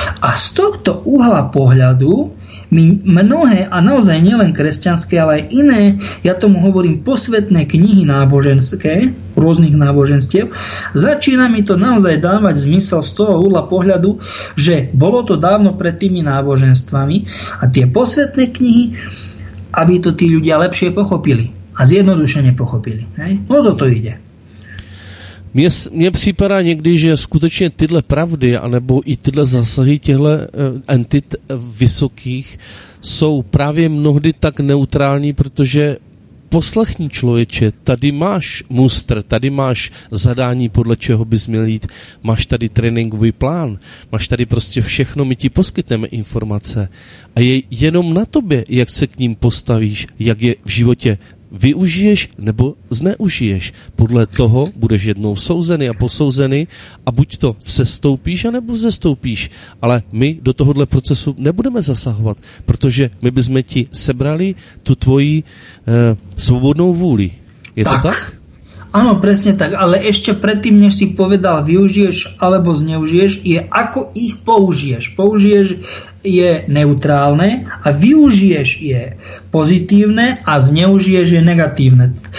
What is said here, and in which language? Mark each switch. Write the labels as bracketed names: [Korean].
[Slovak] A z tohto uhla pohľadu my mnohé, a naozaj nielen kresťanské, ale aj iné, ja tomu hovorím posvetné knihy náboženské, rôznych náboženstiev, začína mi to naozaj dávať zmysel z toho uhla pohľadu, že bolo to dávno pred tými náboženstvami a tie posvetné knihy, aby to tí ľudia lepšie pochopili a zjednodušene pochopili. No toto ide. [Czech] Mně připadá někdy, že skutečně tyhle pravdy, anebo i tyhle zásahy těchto entit vysokých, jsou právě mnohdy tak neutrální, protože poslechni člověče, tady máš mustr, tady máš zadání, podle čeho bys měl jít, máš tady tréninkový plán, máš tady prostě všechno, my ti poskytneme informace a je jenom na tobě, jak se k ním postavíš, jak je v životě využiješ nebo zneužiješ. Podle toho budeš jednou souzený a posouzený a buď to vzestoupíš, anebo vzestoupíš. Ale my do tohohle procesu nebudeme zasahovat, protože my bychom ti sebrali tu tvoji svobodnou vůli. Je tak. To tak? Ano, přesně tak. [Slovak] Ale ještě předtím, než si povedal využiješ alebo zneužiješ, je ako ich použiješ. Použiješ je neutrálne a využiješ je pozitívne a zneužiješ je negatívne.